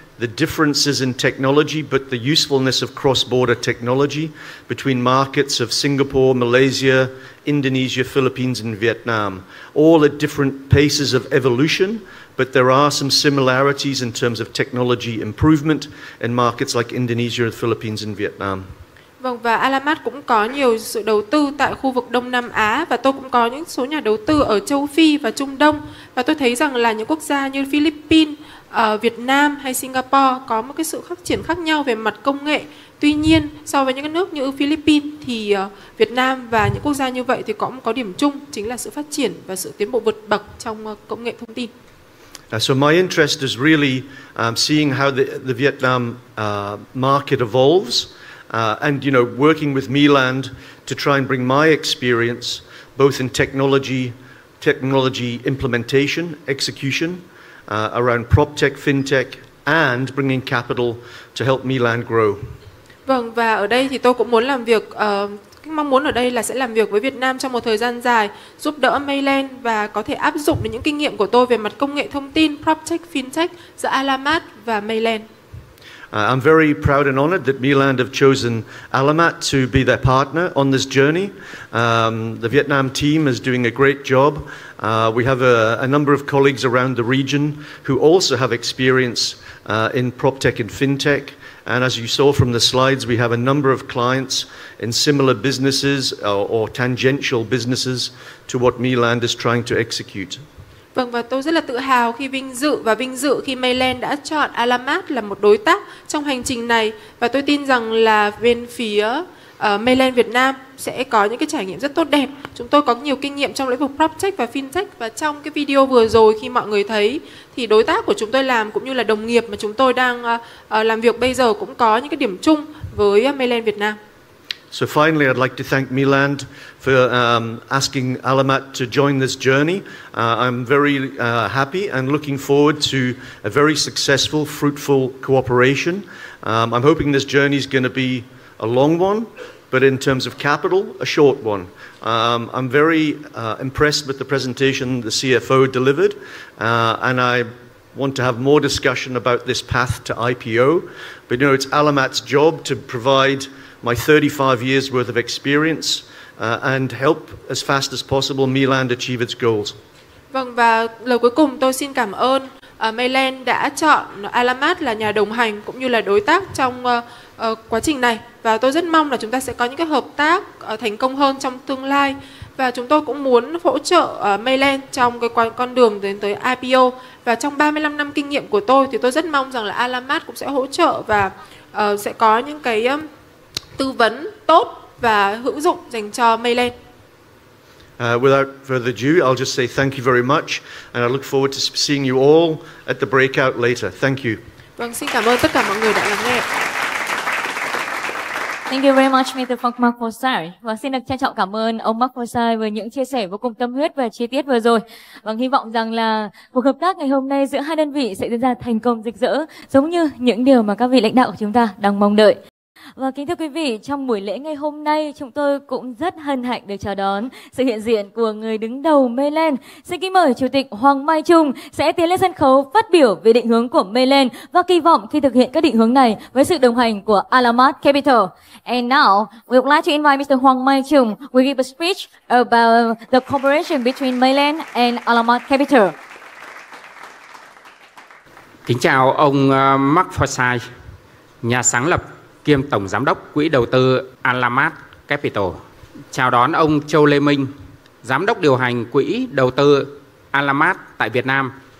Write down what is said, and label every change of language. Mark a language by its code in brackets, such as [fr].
[en] the differences in technology, but the usefulness of cross-border technology between markets of Singapore, Malaysia, Indonesia, Philippines, and Vietnam, all at different paces of evolution, but there are some similarities in terms of technology improvement in markets like Indonesia, Philippines, and Vietnam. [vi] Vâng, và Alamat cũng có nhiều sự đầu tư tại khu vực Đông Nam Á và tôi cũng có những số nhà đầu tư ở Châu Phi và Trung Đông. Và tôi thấy rằng là những quốc gia như Philippines, Việt Nam hay Singapore có một cái sự phát triển khác nhau về mặt công nghệ. Tuy nhiên, so với những nước như Philippines thì Việt Nam và những quốc gia như vậy thì cũng có điểm chung, chính là sự phát triển và sự tiến bộ vượt bậc trong công nghệ thông tin. [en] So my interest is really seeing how the Vietnam market evolves. And you know, working with Miland to try and bring my experience both in technology implementation, execution around PropTech, FinTech, and bringing capital to help Miland grow. [vi] Vâng, và ở đây thì tôi cũng muốn làm việc, mong muốn ở đây là sẽ làm việc với Việt Nam trong một thời gian dài, giúp đỡ Miland và có thể áp dụng những kinh nghiệm của tôi về mặt công nghệ thông tin, PropTech, FinTech giữa Alamat và Miland. [en] I'm very proud and honored that Miland have chosen Alamat to be their partner on this journey. The Vietnam team is doing a great job. We have a number of colleagues around the region who also have experience in PropTech and FinTech. And as you saw from the slides, we have a number of clients in similar businesses or tangential businesses to what Miland is trying to execute. [vi] Vâng, và tôi rất là tự hào khi vinh dự khi Miland đã chọn Alamat là một đối tác trong hành trình này. Và tôi tin rằng là bên phía Miland Việt Nam sẽ có những cái trải nghiệm rất tốt đẹp. Chúng tôi có nhiều kinh nghiệm trong lĩnh vực PropTech và FinTech. Và trong cái video vừa rồi khi mọi người thấy thì đối tác của chúng tôi làm cũng như là đồng nghiệp mà chúng tôi đang làm việc bây giờ cũng có những cái điểm chung với Miland Việt Nam. [en] So finally, I'd like to thank Miland for asking Alamat to join this journey. I'm very happy and looking forward to a very successful, fruitful cooperation. I'm hoping this journey is going to be a long one, but in terms of capital, a short one. I'm very impressed with the presentation the CFO delivered, and I want to have more discussion about this path to IPO. But you know, it's Alamat's job to provide my 35 years worth of experience and help as fast as possible Miland achieve its goals. [vi] Vâng, và lời cuối cùng tôi xin cảm ơn Miland đã chọn Alamat là nhà đồng hành cũng như là đối tác trong quá trình này, và tôi rất mong là chúng ta sẽ có những cái hợp tác thành công hơn trong tương lai, và chúng tôi cũng muốn hỗ trợ Miland trong cái con đường đến tới IPO. Và trong 35 năm kinh nghiệm của tôi thì tôi rất mong rằng là Alamat cũng sẽ hỗ trợ và sẽ có những cái tư vấn tốt và hữu dụng dành cho Miland. [en] Without further ado, I'll just say thank you very much and I look forward to seeing you all at the breakout later. Thank you. [vi] Vâng, xin cảm ơn tất cả mọi người đã lắng nghe. [en] Thank you very much, Mr. Mark Forsyth. [vi] Và xin được trân trọng cảm ơn ông Mark Forsyth với những chia sẻ vô cùng tâm huyết và chi tiết vừa rồi. Và hy vọng rằng là cuộc hợp tác ngày hôm nay giữa hai đơn vị sẽ diễn ra thành công rực rỡ, giống như những điều mà các vị lãnh đạo của chúng ta đang mong đợi. Và kính thưa quý vị, trong buổi lễ ngày hôm nay, chúng tôi cũng rất hân hạnh được chào đón sự hiện diện của người đứng đầu Miland. Xin kính mời Chủ tịch Hoàng Mai Trung sẽ tiến lên sân khấu phát biểu về định hướng của Miland và kỳ vọng khi thực hiện các định hướng này với sự đồng hành của Alamat Capital. [en] And now, we would like to invite Mr. Hoàng Mai Trung to give a speech about the cooperation between Miland and Alamat Capital. [vi] Kính chào ông Mark Forsyth, nhà sáng lập kiêm Tổng Giám đốc Quỹ Đầu tư Alamat Capital. Chào đón ông Châu Lê Minh, Giám đốc điều hành Quỹ Đầu tư Alamat tại Việt Nam.